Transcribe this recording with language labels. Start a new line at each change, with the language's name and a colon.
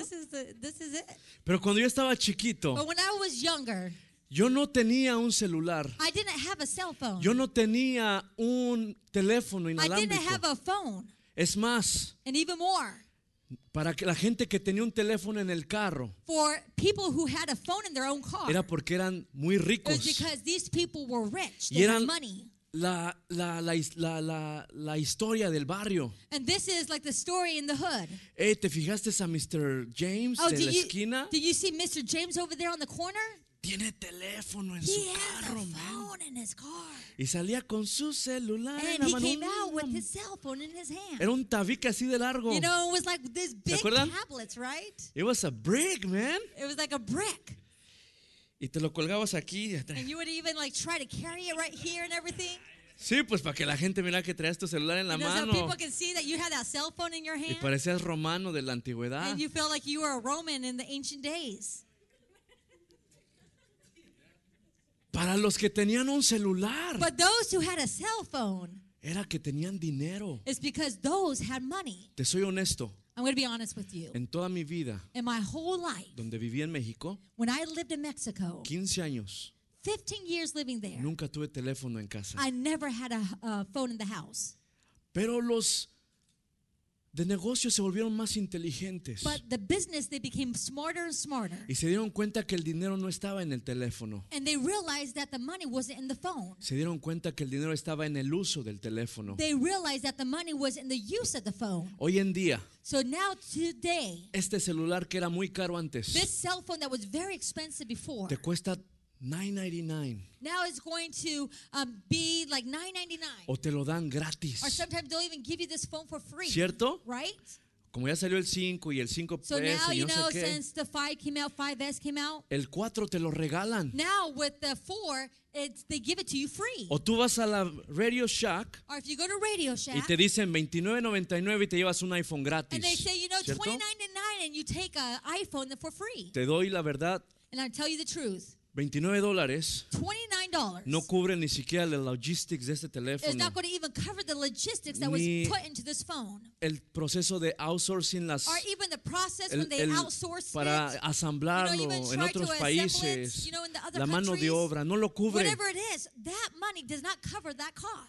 English: This is it.
Spanish: Pero cuando yo estaba chiquito.
English: But when I was younger.
Spanish: Yo no tenía un celular.
English: I didn't have a cell phone.
Spanish: Yo no tenía un teléfono inalámbrico.
English: I didn't have a phone.
Spanish: Es más.
English: And even more.
Spanish: Para que la gente que tenía un teléfono en el carro.
English: For people who had a phone in their own car.
Spanish: Era porque eran muy ricos.
English: It was because these people were rich. They
Spanish: y eran
English: had money.
Spanish: La historia del barrio.
English: And this is like the story in the hood.
Spanish: Hey, ¿te fijaste a Mr. James oh, de la esquina?
English: Did you see Mr. James over there on the corner?
Spanish: Tiene teléfono en
English: he
Spanish: su carro,
English: man. In his car.
Spanish: Y salía con su celular
English: and
Spanish: en la mano.
English: And he came out with his cell phone in his hand.
Spanish: Era un tabique así de largo.
English: You know, it was like this big tablets, right? It was a brick, man. It was like a brick.
Spanish: Y te lo colgabas aquí.
English: And you would even like try to carry it right here and everything.
Spanish: Sí, pues para que la gente mira que traías tu celular en la mano.
English: So people can see that you had that cell phone in your hand.
Spanish: Y parecías romano de la antigüedad.
English: And you felt like you were a Roman in the ancient days.
Spanish: Para los que tenían un celular.
English: But those who had a cell phone.
Spanish: Era que tenían dinero.
English: It's because those had money.
Spanish: Te soy honesto.
English: I'm going to be honest with you.
Spanish: En toda mi vida.
English: In my whole life.
Spanish: Donde vivía en México.
English: When I lived in Mexico.
Spanish: 15 años.
English: 15 years living there.
Spanish: Nunca tuve teléfono en casa.
English: I never had a phone in the house.
Spanish: Pero los de negocios se volvieron más inteligentes.
English: But the business, they became smarter and smarter.
Spanish: Y se dieron cuenta que el dinero no estaba en el teléfono.
English: And they realized that the money wasn't in the phone.
Spanish: Se dieron cuenta que el dinero estaba en el uso del teléfono.
English: They realized that the money was in the use of the phone.
Spanish: Hoy en día.
English: So now today.
Spanish: Este celular que era muy caro antes.
English: This cell phone that was very expensive before.
Spanish: Te cuesta $9.99.
English: Now it's going to be like $9.99.
Spanish: O te lo dan gratis.
English: Or sometimes they'll even give you this phone for free.
Spanish: ¿Cierto?
English: Right?
Spanish: Como ya salió el 5 y el 5S
English: so
Spanish: y no sé qué.
English: So now you know since the 5 came out, 5S came out.
Spanish: El 4 te lo regalan.
English: Now with the 4, they give it to you free.
Spanish: O tú vas a la Radio Shack.
English: Or if you go to Radio Shack.
Spanish: Y te dicen $29.99 y te llevas un iPhone gratis.
English: And they say you know $29.99 and you take an iPhone for free.
Spanish: Te doy la verdad.
English: And I tell you the truth.
Spanish: $29.
English: $29.
Spanish: No cubre ni siquiera la logistics de este teléfono.
English: It's not going to even cover the logistics that was put into this phone.
Spanish: El proceso de outsourcing las.
English: Or even the process when they outsource it.
Spanish: Para asamblarlo en otros países.
English: You know, in the other
Spanish: la mano de obra no lo cubre.
English: Whatever it is, that money does not cover that cost.